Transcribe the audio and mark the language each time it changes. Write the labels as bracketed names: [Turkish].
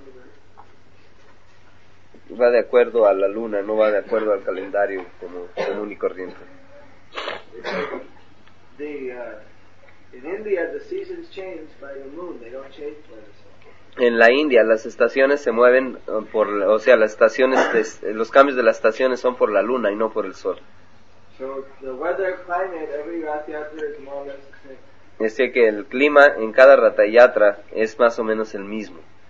[English] to the. [Spanish] Va de acuerdo a la luna, no va de acuerdo al calendario como común y corriente. [English] In India, the seasons change by the moon. They don't change by the sun. [Spanish] En la India las estaciones se mueven por, o sea, las estaciones, los cambios de las estaciones son por la luna y no por el sol. [English] So the weather, climate, every Ratha Yatra is more or less the same. [Spanish] Es decir, que el clima en cada Ratha Yatra es más o menos el mismo.